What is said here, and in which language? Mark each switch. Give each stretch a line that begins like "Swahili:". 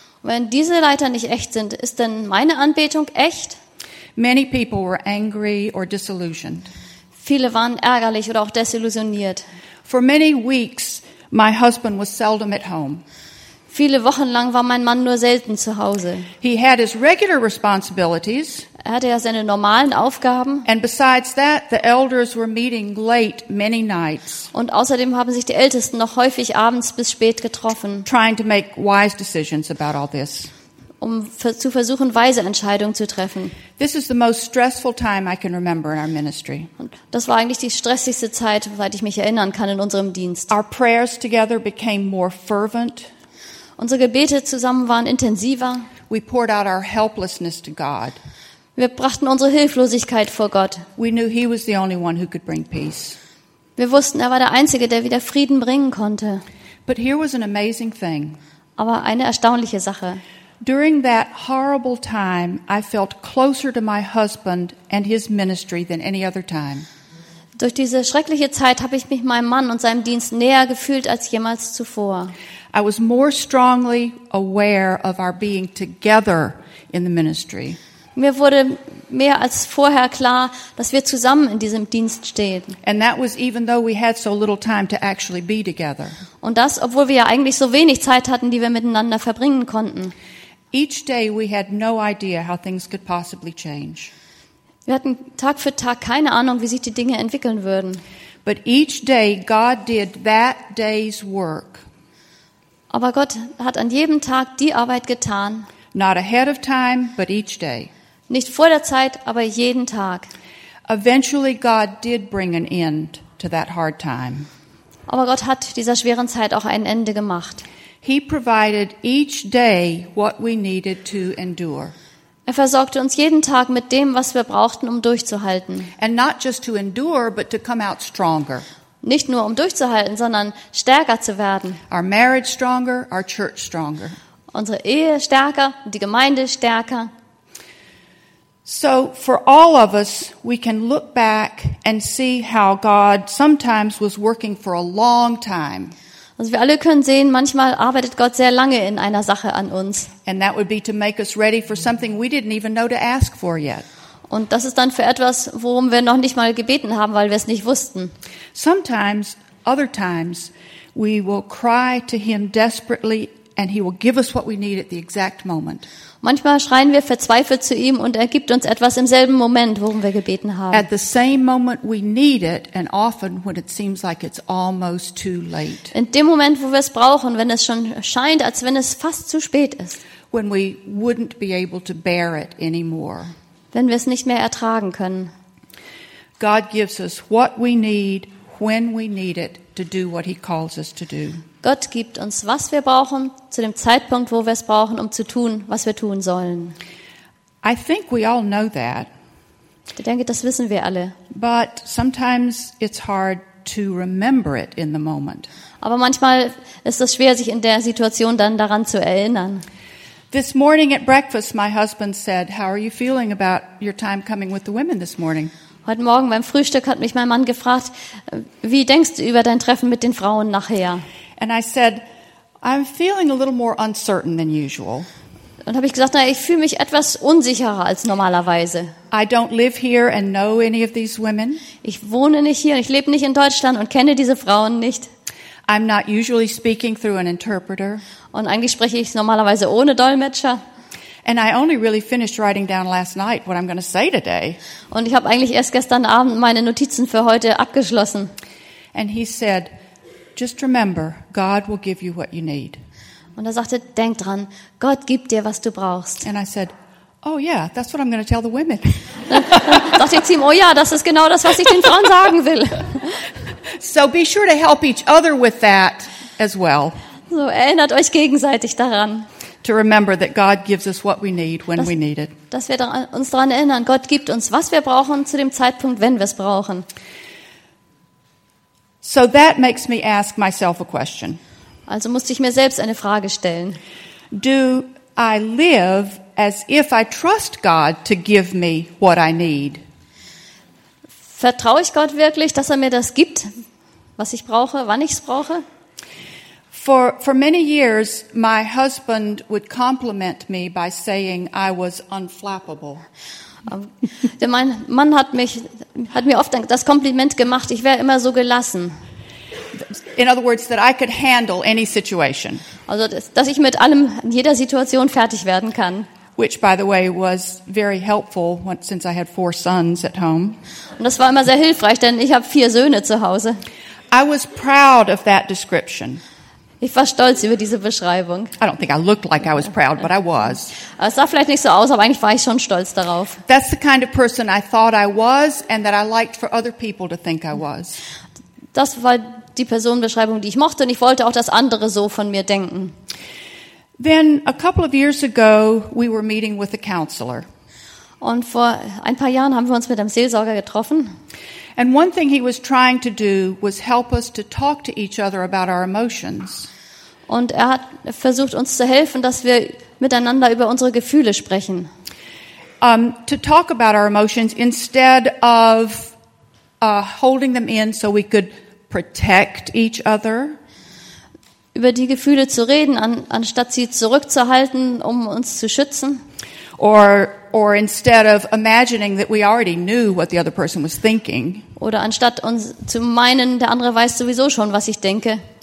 German: Wenn diese Leiter nicht echt sind, ist denn meine Anbetung echt?
English: Many people were angry or disillusioned.
German: Viele waren ärgerlich oder auch desillusioniert.
English: For many weeks, my husband was seldom at home.
German: Viele Wochen lang war mein Mann nur selten zu Hause.
English: He had his regular responsibilities.
German: Er hatte ja seine normalen Aufgaben.
English: And besides that, the elders were meeting late many nights.
German: Und außerdem haben sich die Ältesten noch häufig abends bis spät getroffen.
English: Trying to make wise decisions about all this.
German: Um zu versuchen, weise Entscheidungen zu treffen.
English: This is the most stressful time I can remember in our ministry.
German: Und das war eigentlich die stressigste Zeit, seit ich mich erinnern kann, in unserem Dienst.
English: Our prayers together became more fervent.
German: Unsere Gebete zusammen waren intensiver.
English: We poured out our helplessness to God.
German: Wir brachten unsere Hilflosigkeit vor Gott.
English: We knew he was the only one who could bring peace.
German: Wir wussten, er war der Einzige, der wieder Frieden bringen konnte.
English: But here was an amazing thing.
German: Aber eine erstaunliche Sache.
English: During that horrible time, I felt closer to my husband and his ministry than any other time.
German: Durch diese schreckliche Zeit habe ich mich meinem Mann und seinem Dienst näher gefühlt als jemals zuvor.
English: I was more strongly aware of our being together in the ministry.
German: Mir wurde mehr als vorher klar, dass wir zusammen in diesem Dienst stehen.
English: And that was even though we had so little time to actually be together.
German: Und das, obwohl wir ja eigentlich so wenig Zeit hatten, die wir miteinander verbringen konnten.
English: Each day we had no idea how things could possibly change.
German: Wir hatten Tag für Tag keine Ahnung, wie sich die Dinge entwickeln würden.
English: But each day God did that day's work.
German: Aber Gott hat an jedem Tag die Arbeit getan.
English: Not ahead of time, but each day.
German: Nicht vor der Zeit, aber jeden Tag.
English: Eventually God did bring an end to that hard time.
German: Aber Gott hat dieser schweren Zeit auch ein Ende gemacht.
English: He provided each day what we needed to endure.
German: Er versorgte uns jeden Tag mit dem, was wir brauchten, um durchzuhalten.
English: And not just to endure, but to come out stronger.
German: Nicht nur um durchzuhalten, sondern stärker zu werden.
English: Our marriage stronger, our church stronger.
German: Unsere Ehe stärker, die Gemeinde stärker.
English: So for all of us, we can look back and see how God sometimes was working for a long time.
German: Also wir alle können sehen, manchmal arbeitet Gott sehr lange in einer Sache an uns.
English: And that would be to make us ready for something we didn't even know to ask for yet.
German: Und das ist dann für etwas, worum wir noch nicht mal gebeten haben, weil wir es nicht wussten.
English: Sometimes, other times, we will cry to him desperately and he will give us what we need at the exact moment.
German: Manchmal schreien wir verzweifelt zu ihm und er gibt uns etwas im selben Moment, worum wir gebeten haben.
English: At the same moment we need it and often when it seems like it's almost too late.
German: In dem Moment, wo wir es brauchen, wenn es schon scheint, als wenn es fast zu spät ist.
English: When we wouldn't be able to bear it anymore.
German: Wenn wir es nicht mehr ertragen können.
English: God gives us what we need when we need it to do what he calls us to do.
German: Gott gibt uns, was wir brauchen, zu dem Zeitpunkt, wo wir es brauchen, um zu tun, was wir tun sollen.
English: I think we all know that.
German: Ich denke, das wissen wir alle.
English: But sometimes it's hard to remember it in the moment.
German: Aber manchmal ist es schwer, sich in der Situation dann daran zu erinnern.
English: This morning at breakfast, my husband said, "How are you feeling about your time coming with the women this morning?"
German: Heute Morgen beim Frühstück hat mich mein Mann gefragt, wie denkst du über dein Treffen mit den Frauen nachher?
English: And I said, "I'm feeling a little more uncertain than usual."
German: Und habe ich gesagt, ich fühle mich etwas unsicherer als normalerweise.
English: I don't live here and know any of these women.
German: Ich wohne nicht hier, ich lebe nicht in Deutschland und kenne diese Frauen nicht.
English: I'm not usually speaking through an interpreter.
German: Und eigentlich spreche ich normalerweise ohne Dolmetscher.
English: And I only really finished writing down last night what I'm going to say today.
German: Und ich habe eigentlich erst gestern Abend meine Notizen für heute abgeschlossen.
English: And he said, "Just remember, God will give you what you need."
German: Und er sagte, denk dran, Gott gibt dir, was du brauchst.
English: And I said, "Oh yeah, that's what I'm going to tell the women."
German: Sagte ich zu ihm, oh ja, das ist genau das, was ich den Frauen sagen will.
English: So be sure to help each other with that as well.
German: So erinnert euch gegenseitig daran.
English: To remember that God gives us what we need when we need it.
German: Dass wir uns daran erinnern, Gott gibt uns, was wir brauchen, zu dem Zeitpunkt, wenn wir es brauchen.
English: So that makes me ask myself a question.
German: Also musste ich mir selbst eine Frage stellen.
English: Do I live as if I trust God to give me what I need?
German: Vertraue ich Gott wirklich, dass er mir das gibt, was ich brauche, wann ich es brauche?
English: For many years, my husband would compliment me by saying I was unflappable.
German: Mein Mann hat mir oft das Kompliment gemacht, ich wäre immer so gelassen.
English: In other words, that I could handle any situation.
German: Also, dass ich mit allem, in jeder Situation fertig werden kann.
English: Which, by the way, was very helpful since I had 4 sons at home.
German: Und das war immer sehr hilfreich, denn ich habe 4 Söhne zu Hause.
English: I was proud of that description.
German: Ich war stolz über diese Beschreibung.
English: I don't think I looked like I was proud, but I was.
German: Es sah vielleicht nicht so aus, aber eigentlich war ich schon stolz darauf.
English: That's the kind of person I thought I was and that I liked for other people to think I was.
German: Das war die Personenbeschreibung, die ich mochte und ich wollte auch, dass andere so von mir denken.
English: Then a couple of years ago we were meeting with a counselor.
German: Und vor ein paar Jahren haben wir uns mit einem Seelsorger getroffen.
English: And one thing he was trying to do was help us to talk to each other about our emotions.
German: Und er hat versucht uns zu helfen, dass wir miteinander über unsere Gefühle sprechen.
English: To talk about our emotions instead of holding them in so we could protect each other.
German: Über die Gefühle zu reden, anstatt sie zurückzuhalten, um uns zu schützen.
English: Or instead of imagining that we already knew what the other person was thinking.
German: Oder anstatt uns zu meinen, der andere weiß sowieso schon, was ich denke.